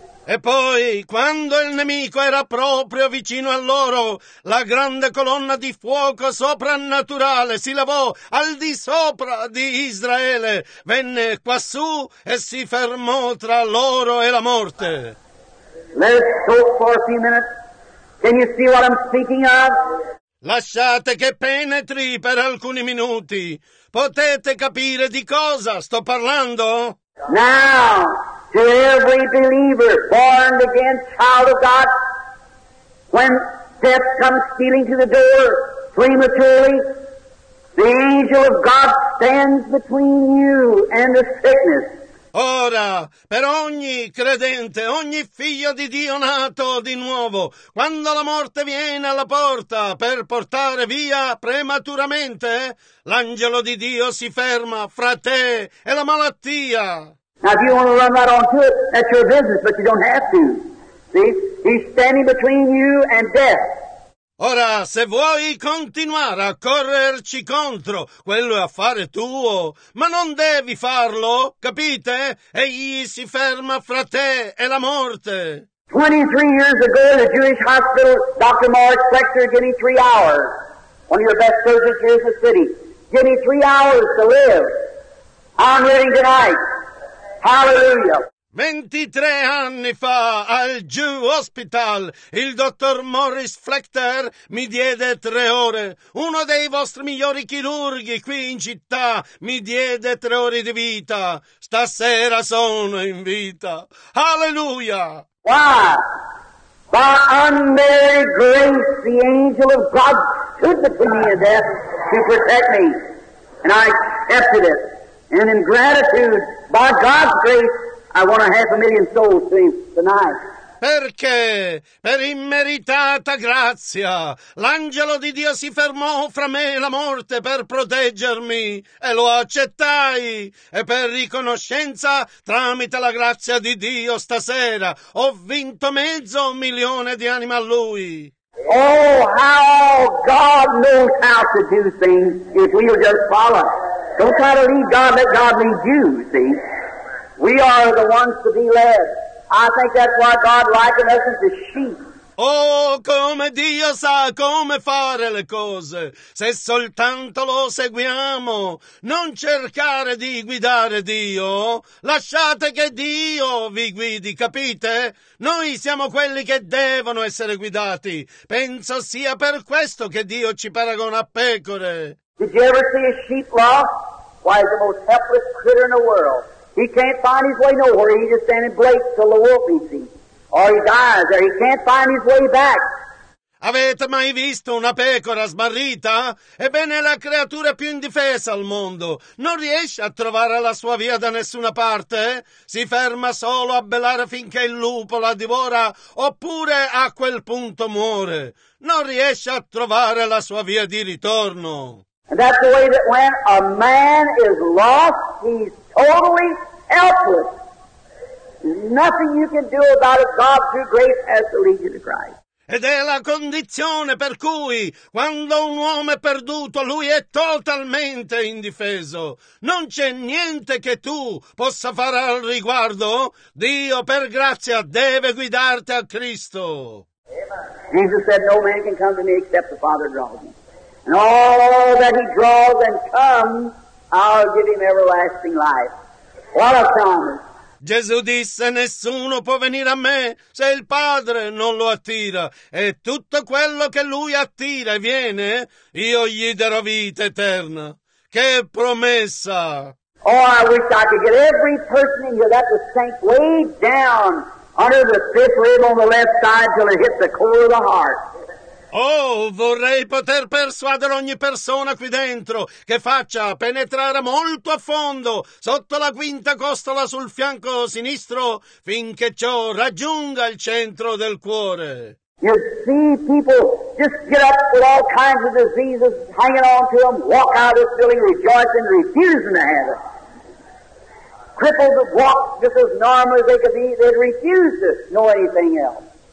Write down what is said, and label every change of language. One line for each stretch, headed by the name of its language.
Italian: E poi, quando il nemico era proprio vicino a loro, la grande colonna di fuoco soprannaturale si levò al di sopra di Israele, venne quassù e si fermò tra loro e la morte.
English: Let's talk for a few minutes. Can you see what I'm speaking of?
Italian: Lasciate che penetri per alcuni minuti. Potete capire di cosa sto parlando?
English: Now, to every believer, born again, child of God, when death comes stealing to the door prematurely, the angel of God stands between you and the sickness.
Italian: Ora, per ogni credente, ogni figlio di Dio nato di nuovo, quando la morte viene alla porta per portare via prematuramente, l'angelo di Dio si ferma fra te e la malattia.
English: Now, if you want to run right on to it, that's your business, but you don't have to. See? He's standing between you and death.
Italian: Ora, se vuoi continuare a correrci contro, quello è affare tuo, ma non devi farlo, capite? Egli si ferma fra te e la morte.
English: 23 years ago in a Jewish hospital, Dr. Morris Flexer gave me 3 hours. One of your best surgeons here in the city. Give me 3 hours to live. I'm living tonight. Hallelujah.
Italian: 23 anni fa, al Jew Hospital, il dottor Morris Flechter mi diede 3 ore. Uno dei vostri migliori chirurghi qui in città mi diede 3 ore di vita. Stasera sono in vita. Alleluia!
English: Wow! By unmerited grace, the angel of God stood between me and death to protect me. And I accepted it. And in gratitude, by God's grace, I want a 500,000 souls saved tonight.
Italian: Perché? Per immeritata grazia. L'angelo di Dio si fermò fra me e la morte per proteggermi e lo accettai. E per riconoscenza, tramite la grazia di Dio stasera, ho vinto 500,000 di anime a Lui.
English: Oh, how God knows how to do things if we will just follow. Don't try to lead God, let God lead you, see? We are the ones to be led. I think that's why God likened us as sheep.
Italian: Oh, come Dio sa come fare le cose, se soltanto lo seguiamo. Non cercare di guidare Dio, lasciate che Dio vi guidi, capite? Noi siamo quelli che devono essere guidati. Penso sia per questo che Dio ci paragona a pecore.
English: Did you ever see a sheep lost? Why, the most helpless critter in the world. He can't find his way nowhere. He just stands and blates till the wolf eats him. Or he dies, or he can't find his way back.
Italian: Avete mai visto una pecora smarrita? Ebbene, è la creatura più indifesa al mondo. Non riesce a trovare la sua via da nessuna parte? Si ferma solo a belare finché il lupo la divora, oppure a quel punto muore. Non riesce a trovare la sua via di ritorno.
English: And that's the way that when a man is lost, he's totally helpless. Nothing you can do about it. God, through grace, has to lead you to Christ.
Italian: Ed è la condizione per cui, quando un uomo è perduto, lui è totalmente indifeso. Non c'è niente che tu possa fare al riguardo. Dio, per grazia, deve guidarti a Cristo.
English: Amen. Jesus said, no man can come to me except the Father draws him. And all that he draws and comes, I'll give him everlasting life. What a promise.
Italian: Gesù disse, nessuno può venire a me se il Padre non lo attira, e tutto quello che Lui attira e viene, io gli darò vita eterna. Che promessa!
English: Oh, I wish I could get every person in here that was sank way down under the fifth rib on the left side till it hit the core of the heart.
Italian: Oh, vorrei poter persuadere ogni persona qui dentro che faccia penetrare molto a fondo sotto la quinta costola sul fianco sinistro finché ciò raggiunga il centro del cuore.
English: You see people just get up with all kinds of diseases hanging on to them, walk out of this building rejoicing, refusing to have it. Crippled to walk just as normal as they could be, they'd refuse to know anything else.